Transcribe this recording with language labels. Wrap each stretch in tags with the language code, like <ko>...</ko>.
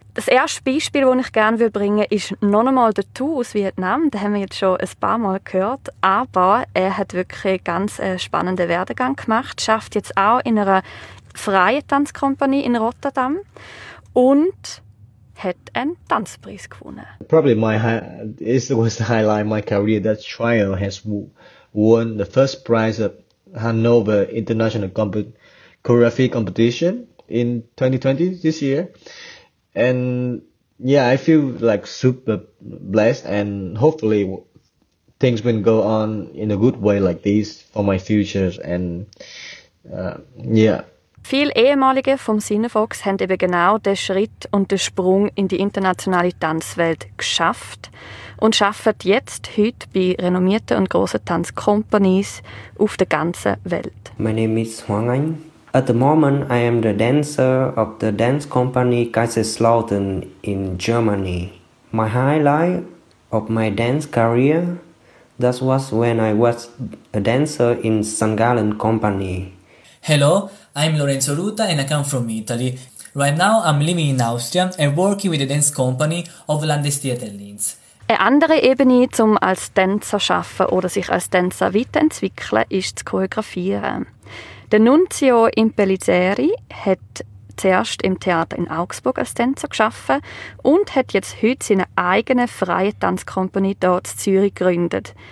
<de>Das erste Beispiel, das ich gerne bringen will, ist noch einmal der Tu aus Vietnam. Den haben wir jetzt schon ein paar Mal gehört. Aber er hat wirklich ganz einen spannenden Werdegang gemacht, arbeitet jetzt auch in einer freien Tanzkompanie in Rotterdam und hat einen Tanzpreis gewonnen.</de> <en>Probably my was the highlight of my career. That trio has won the first prize at Hannover International Choreography Competition in 2020, this year. And yeah, I feel like super blessed, and hopefully things will go on in a good way like this for my future. And yeah.</en> <de>Viele Ehemalige vom Cinefox haben eben genau den Schritt und den Sprung in die internationale Tanzwelt geschafft und arbeiten jetzt heute bei renommierten und grossen Tanzcompanies auf der ganzen Welt.</de> <en>My name is Huang Anh. At the moment I am the dancer of the dance company Kaiserslautern in Germany. My highlight of my dance career, that was when I was a dancer in St. Gallen Company. Hello, I'm Lorenzo Ruta and I come from Italy. Right now I'm living in Austria and working with the dance company of Landestheater Linz.</en> <de>Eine andere Ebene, um als Tänzer zu arbeiten oder sich als Tänzer weiterzuentwickeln, ist zu choreografieren. Der Nunzio Impellizzeri hat zuerst im Theater in Augsburg als Tänzer gearbeitet und hat jetzt heute seine eigene freie Tanzkompanie hier in Zürich gegründet.</de>